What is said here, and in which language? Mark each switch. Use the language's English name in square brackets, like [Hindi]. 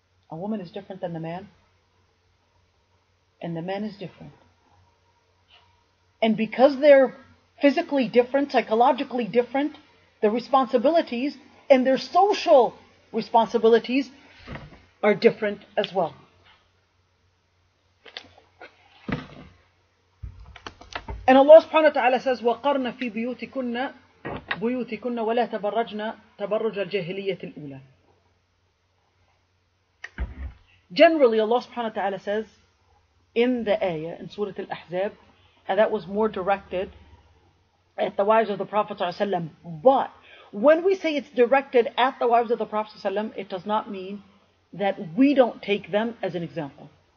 [English] A woman is different than the man. And the man is different. And because they're physically different, psychologically different, the responsibilities and their social responsibilities are different as well. And Allah subhanahu wa ta'ala says, [Arabic] وَقَرْنَ فِي بُيُوتِكُنَّ وَلَا تَبَرَّجْنَا تَبَرُّجَ الْجَهِلِيَّةِ الْأُولَى. [English] Generally, Allah subhanahu wa ta'ala says, in the ayah, in Surah Al-Ahzab, and that was more directed at the wives of the Prophet ﷺ. But when we say it's directed at the wives of the Prophet ﷺ, it does not mean that we don't take them as an example.